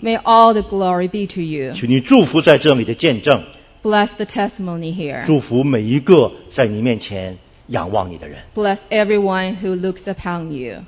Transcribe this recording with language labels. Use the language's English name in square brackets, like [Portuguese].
[English] May all the glory be to you. [Chinese] 求你祝福在这里的见证。 [English] Bless the testimony here. [Chinese] 祝福每一个在你面前仰望你的人。 [English] Bless everyone who looks upon you.